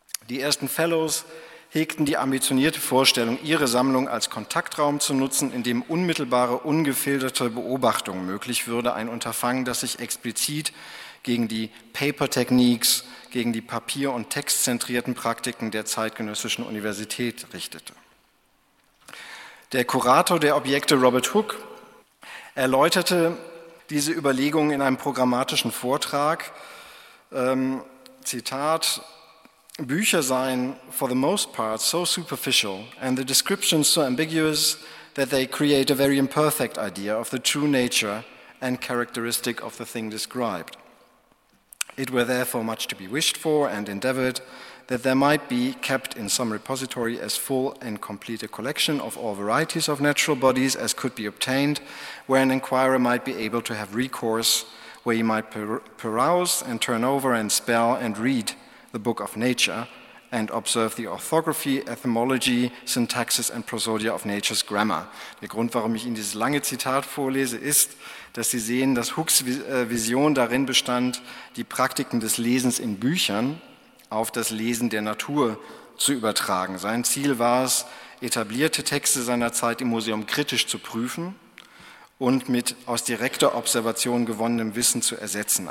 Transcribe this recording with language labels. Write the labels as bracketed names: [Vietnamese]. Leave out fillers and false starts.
[German] Die ersten Fellows hegten die ambitionierte Vorstellung, ihre Sammlung als Kontaktraum zu nutzen, in dem unmittelbare, ungefilterte Beobachtung möglich würde, ein Unterfangen, das sich explizit gegen die Paper Techniques, gegen die papier- und textzentrierten Praktiken der zeitgenössischen Universität richtete. Der Kurator der Objekte, Robert Hooke, erläuterte diese Überlegungen in einem programmatischen Vortrag. Zitat: Bücher seien [English] for the most part so superficial and the descriptions so ambiguous that they create a very imperfect idea of the true nature and characteristic of the thing described. It were therefore much to be wished for and endeavored that they might be kept in some repository as full and complete a collection of all varieties of natural bodies as could be obtained, where an inquirer might be able to have recourse, where he might peruse and turn over and spell and read the book of nature, and observe the orthography, etymology, syntaxis and prosodia of nature's grammar. [German] Der Grund, warum ich Ihnen dieses lange Zitat vorlese, ist, dass Sie sehen, dass Hooks Vision darin bestand, die Praktiken des Lesens in Büchern auf das Lesen der Natur zu übertragen. Sein Ziel war es, etablierte Texte seiner Zeit im Museum kritisch zu prüfen und mit aus direkter Observation gewonnenem Wissen zu ersetzen.